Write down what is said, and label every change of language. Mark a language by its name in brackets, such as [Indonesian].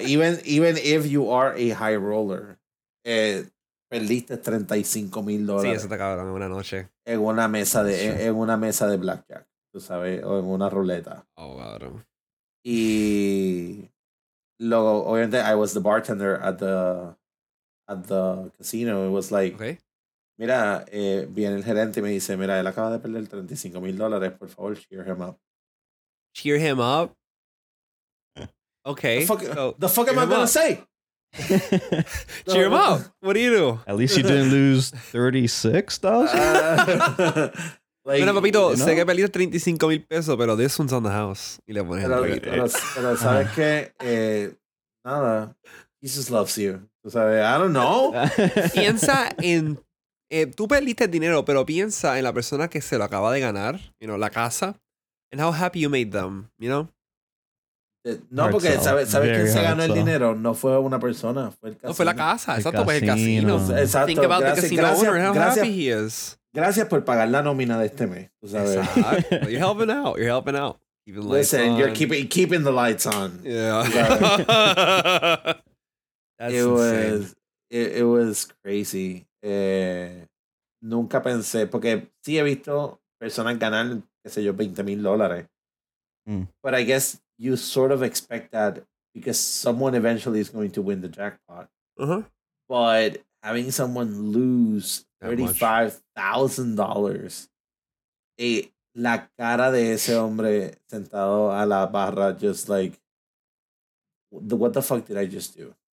[English] even if you are a high roller, [Spanish] perdiste $35,000. Sí, eso te acabaron en una noche. En una mesa de blackjack, tú sabes, o en una ruleta. Oh, claro. Y luego, obviamente, [English] I was the bartender at the casino. It was like, okay. [Spanish] Mira, viene el gerente y me dice, mira, él acaba de perder $35,000, por favor, [English] cheer him up. Cheer him up? Okay. The fuck am I gonna say? Cheer him up. What do you do? At least you didn't lose $36,000. [Spanish] Mira, papito, [English] you know? [Spanish] Sé que perdiste 35 mil pesos, pero [English] this one's on the house. [Spanish] Y le pones pero sabes que, nada, [English] he just loves you. [Spanish] O sea, [English] I don't know. [Spanish] Piensa en... tú perdiste el dinero, pero piensa en la persona que se lo acaba de ganar, [English] you know, [Spanish] la casa, [English] and how happy you made them, you know? [Spanish] No, porque ¿sabes quién se ganó el dinero? No fue una persona, fue el casino. No, fue la casa, exacto, fue el casino. Exacto. [English] Think about the casino owner, how happy he is. [Spanish] Gracias por pagar la nómina de este mes, tú sabes. Exacto. [English] You're helping out. Keeping lights on. Listen, you're keeping the lights on. Yeah. It was crazy. [Spanish] Nunca pensé, porque sí he visto personas ganar, qué sé yo, $20,000. [English] But I guess you sort of expect that because someone eventually is going to win the jackpot. Uh-huh. But having someone lose $35,000, [Spanish] la cara de ese hombre sentado a la barra, [English] just like, what the fuck did I just do?